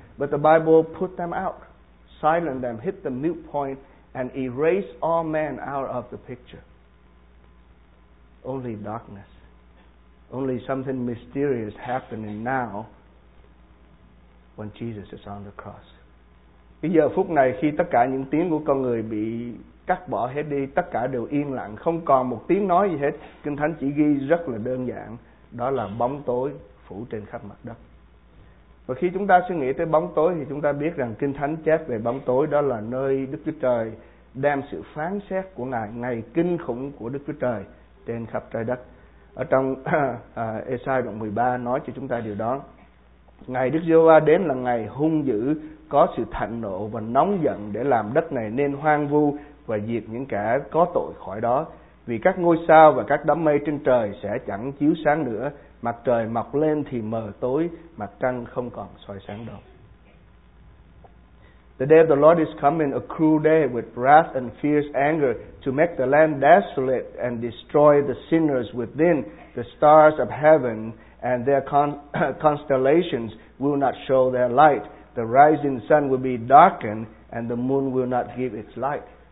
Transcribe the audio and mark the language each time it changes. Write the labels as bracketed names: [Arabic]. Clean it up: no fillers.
[English] But the Bible put them out, silenced them, hit the mute point, and erased all men out of the picture. Only darkness. Only something mysterious happening now when Jesus is on the cross. [Vietnamese] Bây giờ phút này khi tất cả những tiếng của con người bị cắt bỏ hết đi, tất cả đều yên lặng, không còn một tiếng nói gì hết. Kinh Thánh chỉ ghi rất là đơn giản, đó là bóng tối phủ trên khắp mặt đất. Và khi chúng ta suy nghĩ tới bóng tối thì chúng ta biết rằng Kinh Thánh chép về bóng tối đó là nơi Đức Chúa Trời đem sự phán xét của Ngài, ngày kinh khủng của Đức Chúa Trời trên khắp trái đất. Ở trong Esai đoạn 13 nói cho chúng ta điều đó. Ngày Đức Giê-hô-va đến là ngày hung dữ, có sự thạnh nộ và nóng giận để làm đất này nên hoang vu và diệt những kẻ có tội khỏi đó. Vì các ngôi sao và các đám mây trên trời sẽ chẳng chiếu sáng nữa, mặt trời mọc lên thì mờ tối, mặt trăng không còn soi sáng đâu. [English] The day of the Lord is coming, a cruel day with wrath and fierce anger, to make the land desolate and destroy the sinners within. The stars of heaven and their constellations will not show their light. The rising sun will be darkened and the moon will not give its light.